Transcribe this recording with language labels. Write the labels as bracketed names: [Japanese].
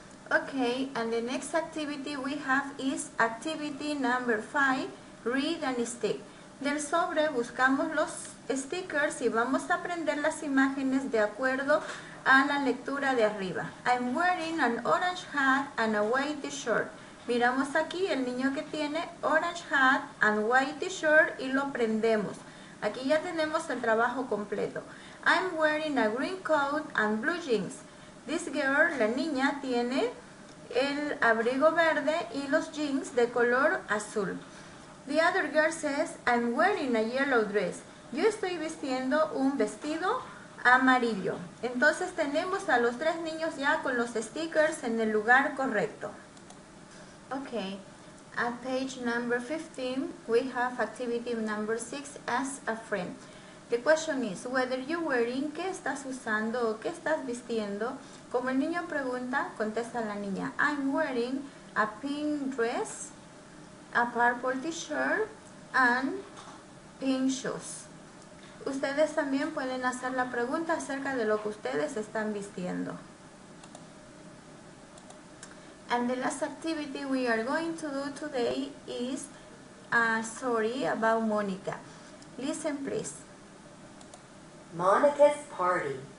[English] Okay, and the next activity we have is activity number 5, read and stick. [Spanish] Del sobre buscamos los stickers y vamos a aprender las imágenes de acuerdo a la lectura de arriba. [English] I'm wearing an orange hat and a white t-shirt. [Spanish] Miramos aquí el niño que tiene [English] orange hat and white t-shirt [Spanish] y lo aprendemos. Aquí ya tenemos el trabajo completo. [English] I'm wearing a green coat and blue jeans. This girl, [Spanish] la niña, tiene el abrigo verde y los jeans de color azul. [English] The other girl says, I'm wearing a yellow dress. [Spanish] Yo estoy vistiendo un vestido amarillo. Entonces tenemos a los tres niños ya con los stickers en el lugar correcto. [English] Okay, at page number 15, we have activity number 6, as a friend. The question is, whether you're wearing, [Spanish] ¿qué estás usando o qué estás vistiendo? Como el niño pregunta, contesta la niña, [English] I'm wearing a pink dress, a purple t-shirt, and pink shoes. [Spanish] Ustedes también pueden hacer la pregunta acerca de lo que ustedes están vistiendo. [English] And the last activity we are going to do today is, sorry about Monica. Listen, please. Monica's party.